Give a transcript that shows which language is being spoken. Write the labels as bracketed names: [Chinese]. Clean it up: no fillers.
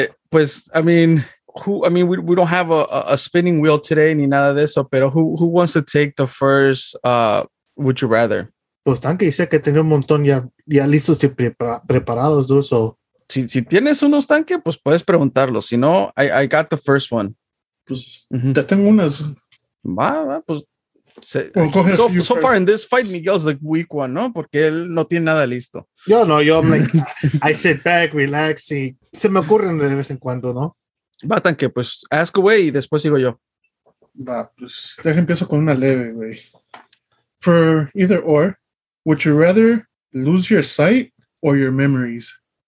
[English] Pues, I mean, we don't have a spinning wheel today, ni nada de eso, pero who wants to take the first, would you rather? [Spanish] Pues, Tanque dice que tenía un montón ya listos y preparados, dude, so. Si tienes unos, Tanque, pues puedes preguntarlo. Si no, I got the first one. Pues, mm-hmm. Ya tengo unas. [English] Va, pues. So far in this fight, Miguel's the weak one, ¿no? [Spanish] Porque él no tiene nada listo. Yo, I'm like, I sit back, relax, y se me ocurren de vez en cuando, ¿no? Va, Tanque, pues, ask away, y después sigo yo. Va, pues, deja, empiezo con una leve, güey. [English] For either or, would you rather lose your sight or your memories?